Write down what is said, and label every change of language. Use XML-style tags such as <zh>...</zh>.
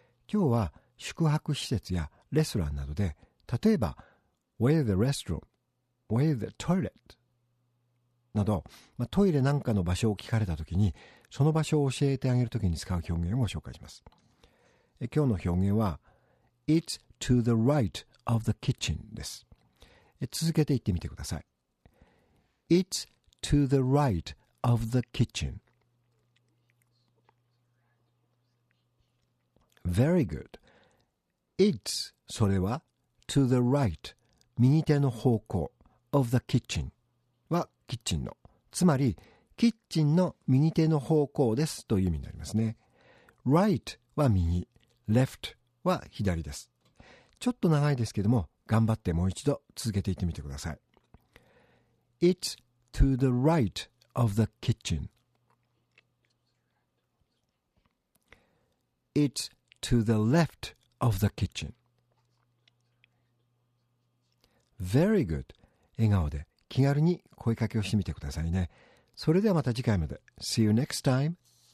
<ja>今日は宿泊施設やレストランなどで、例えば、</ja> <en>Where the restroom? Where the toilet?</en> <ja>など、まあ、トイレなんかの場所を聞かれたときに、その場所を教えてあげるときに使う表現を紹介します。今日の表現は、</ja> <en>It's to the right of the kitchen</en> <ja>です。続けて言ってみてください。</ja> <en>It's to the right of the kitchen. Very good. It's,</en> <ja>それは、</ja> <en>to the right,</en> <ja>右手の方向</ja> <en>of the kitchen.</en> <ja>キッチンの、つまりキッチンの右手の方向ですという意味になりますね。 Right は右、 Left は左です。ちょっと長いですけども、頑張ってもう一度続けていってみてください。</ja> <en>It's to the right of the kitchen. It's to the left of the kitchen. Very good.</en> <ja>笑顔で気軽に声かけをしてみてくださいね。それではまた次回まで。</ja> <en>See you next time.</en>